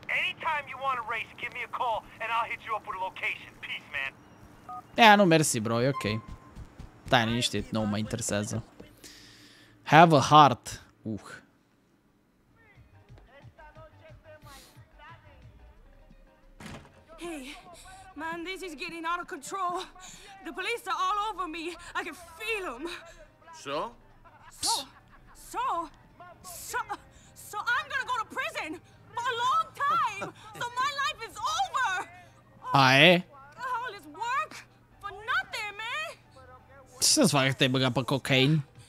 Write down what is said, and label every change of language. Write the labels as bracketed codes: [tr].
[en] Anytime you want a race, give me a call and I'll hit you up with a location. Peace, man. [ro] Yeah, nu, mersi, bro. E ok. Stai, liniștit, nu mă interesează. [en] Have a heart. Hey, man, this is getting out of control. The police are all over me. I can feel them. So? So I'm gonna go to prison for a long time. So my life is over. Aye. All this work for nothing, man. [ro] Ce să-ți facă că te-ai băgat pe cocaine?